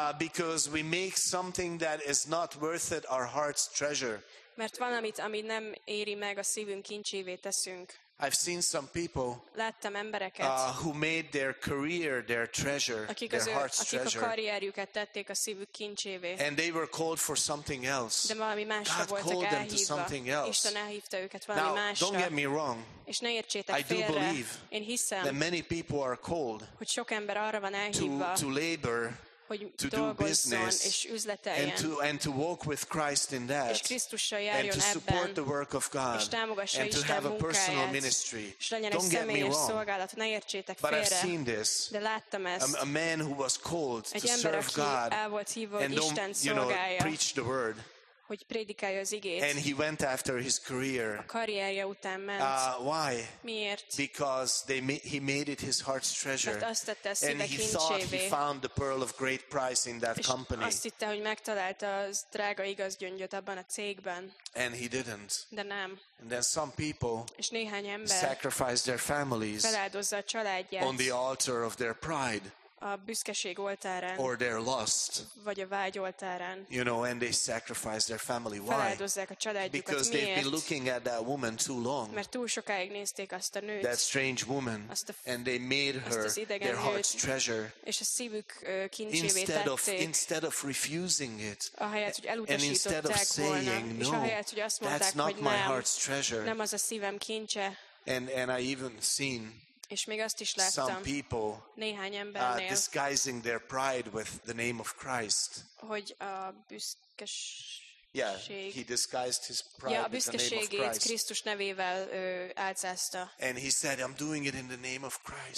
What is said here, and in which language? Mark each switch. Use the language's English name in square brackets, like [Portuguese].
[English] Because we make something that is not worth it our heart's treasure. [Hungarian] Mert valamit, ami nem éri meg a szívünk kincsévé teszünk. [English] I've seen some people [Hungarian] láttam embereket, [English] who made their career their treasure, [Hungarian] akik [English] their heart's treasure. [Hungarian] A karrierjüket tették a szívük kincsévé. [English] And they were called for something else. [Hungarian] De valami másra [English] God [Hungarian] voltak [English] called [Hungarian] elhívva. [English] Them to something else. [Hungarian] Isten elhívta őket valami [English] Now, [Hungarian] másra. [English] Don't get me wrong. [Hungarian] És ne értsétek [English] I do [Hungarian] félre. [English] Believe [Hungarian] Én hiszem, [English] that many people are called [Hungarian] hogy sok ember arra van elhívva, [English] to labor, [Hungarian] hogy [English] to do business, [Hungarian] és üzleteljen, [English] and to walk with Christ in that, [Hungarian] és Krisztussal járjon [English] and to support [Hungarian] ebben, [English] the work of God, [Hungarian] és támogassa [English] and to [Hungarian] Isten [English] have a [Hungarian] munkáját, [English] personal ministry. Don't get me wrong, [Hungarian] szolgálat, ne értsétek [English] but [Hungarian] félre, [English] I've seen this, [Hungarian] de láttam ezt, [English] a man who was called [Hungarian] egy [English] to [Hungarian] ember, [English] serve God [Hungarian] el volt hívva, [English] and [Hungarian] Isten [English] don't, [Hungarian] szolgálja, [English] you know, preach the word, [Hungarian] hogy prédikálja az igét, [English] and he went after his career. [Hungarian] A karrierje után ment. [English] Why? [Hungarian] Miért? [English] Because he made it his heart's treasure. [Hungarian] Mert azt tette a szíve [English] and he [Hungarian] kincsévé. [English] Thought he found the pearl of great price in that [Hungarian] és [English] company. [Hungarian] Azt hitte, hogy megtalálta az drága igaz gyöngyöt abban a cégben. [English] And he didn't. [Hungarian] De nem. [English] And then some people sacrifice their families [Hungarian] feláldozza a családját [English] on the altar of their pride. [Hungarian] A büszkeség oltárán, [English] or their lust, [Hungarian] vagy a vágy oltárán, [English] you know, and they sacrifice their family. Why? [Hungarian] Feláldozzák a családjukat. [English] Because [Hungarian] miért? [English] They've been looking at that woman too long. [Hungarian] Mert túl sokáig nézték azt a nőt. [English] That strange woman, and they made her their [Hungarian] nőt, [English] heart's treasure. [Hungarian] És a szívük kincsévé [English] instead of refusing it, [Hungarian] ahelyett, hogy elutasították [English] and instead of saying [Hungarian] volna, [English] no, [Hungarian] ahelyett, hogy azt mondták, [English] that's not [Hungarian] hogy [English] my [Hungarian] nem, [English] heart's treasure. [Hungarian] Nem az a szívem kincse. [English] And I even seen. [Hungarian] És még azt is láttam, [English] some people [Hungarian] néhány embernél, [English] disguising their pride with the name of Christ. [Hungarian] Hogy a büszkeség. [English] Yeah, he disguised his pride [Hungarian] ja, [English] with the name of Christ. [Hungarian] Krisztus nevével álcázta. [English] And he said, I'm doing it in the name of Christ.